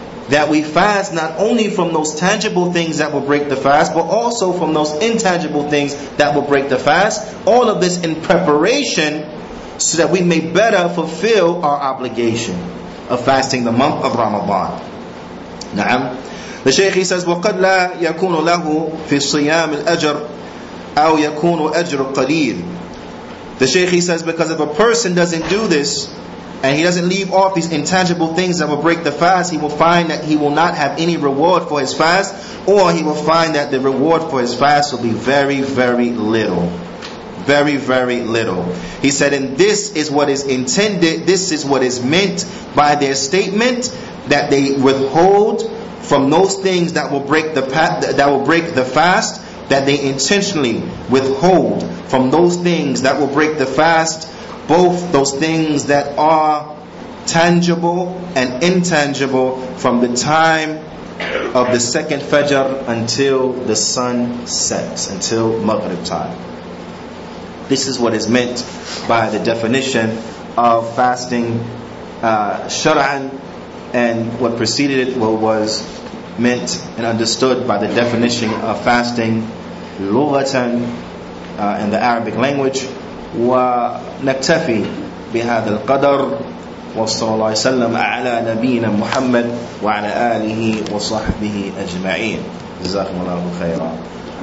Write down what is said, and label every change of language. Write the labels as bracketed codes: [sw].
[en] That we fast not only from those tangible things that will break the fast, but also from those intangible things that will break the fast. All of this in preparation so that we may better fulfill our obligation of fasting the month of Ramadan. Na'am. The Shaykh, he says, [ar] وَقَدْ لَا يَكُونُ لَهُ فِي الصِّيَامِ الْأَجْرِ أَوْ يَكُونُ أَجْرُ قَلِيلٍ. [en] The Sheikh, he says, because if a person doesn't do this, and he doesn't leave off these intangible things that will break the fast, he will find that he will not have any reward for his fast, or he will find that the reward for his fast will be very, very little. Very, very little. He said, and this is what is intended, this is what is meant by their statement, that they withhold from those things that will break the fast, that they intentionally withhold from those things that will break the fast, both those things that are tangible and intangible, from the time of the second Fajr until the sun sets, until Maghrib time. This is what is meant by the definition of fasting shara'an, and what preceded it, what was meant and understood by the definition of fasting lughatan in the Arabic language. [ar] ونكتفي بهذا القدر وصلى الله وسلم على نبينا محمد وعلى آله وصحبه أجمعين جزاكم الله خيرا